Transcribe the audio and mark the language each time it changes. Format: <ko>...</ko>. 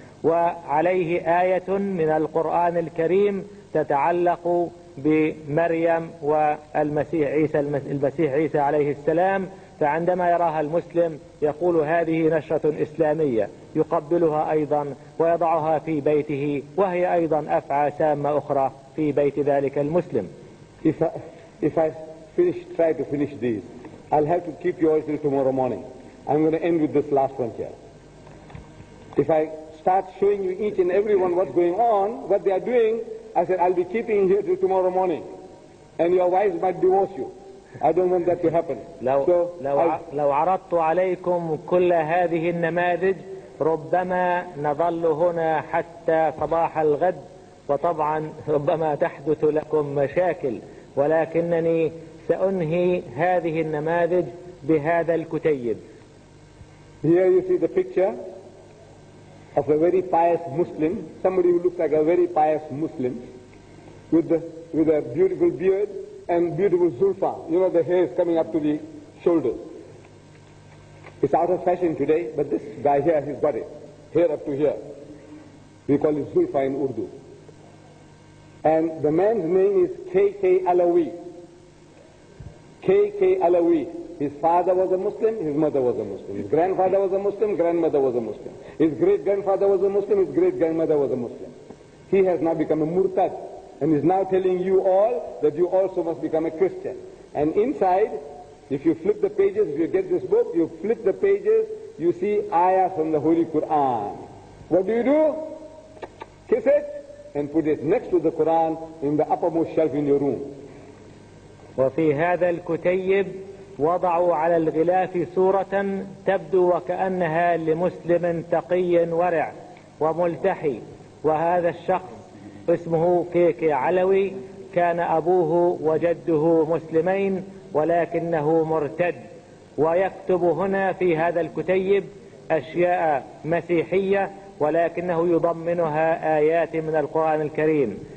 <ar>وعليه آية من القرآن الكريم تتعلق بمريم والمسيح عيسى، المسيح عيسى عليه السلام، فعندما يراها المسلم يقول هذه نشرة إسلامية، يقبلها أيضا ويضعها في بيته، وهي أيضا أفعى سامة أخرى في بيت ذلك المسلم.</ar> <en>If I try to finish these, I'll have to keep you until tomorrow morning. I'm going to end with this last one here. If I start showing you each and everyone what's going on, what they are doing, I said, I'll be keeping here till tomorrow morning. And your wives might divorce you. I don't want that to happen.</en> <ar>لو عرضت عليكم كل هذه النماذج ربما نظل هنا حتى صباح الغد، وطبعا ربما تحدث لكم مشاكل، ولكنني سأنهي هذه النماذج بهذا الكتيب.</ar> <en>Here you see the picture of a very pious Muslim, somebody who looks like a very pious Muslim, with a beautiful beard and beautiful zulfa. You know, the hair is coming up to the shoulders. It's out of fashion today, but this guy here, he's got it. Hair up to here. We call it zulfa in Urdu. And the man's name is K.K. Alawi. K.K. Alawi. His father was a Muslim, his mother was a Muslim. His grandfather was a Muslim, grandmother was a Muslim. His great-grandfather was a Muslim, his great-grandmother was a Muslim. He has now become a murtad. And is now telling you all that you also must become a Christian. And inside, if you flip the pages, if you get this book, you flip the pages, you see ayah from the Holy Quran. What do you do? Kiss it and put it next to the Quran in the uppermost shelf in your room.</en> <ar>وفي هذا الكتيب وضعوا على الغلاف صورة تبدو وكأنها لمسلم تقي ورع وملتحي، وهذا الشخص اسمه كيكي علوي، كان أبوه وجده مسلمين ولكنه مرتد، ويكتب هنا في هذا الكتيب أشياء مسيحية ولكنه يضمنها آيات من القرآن الكريم.</ar>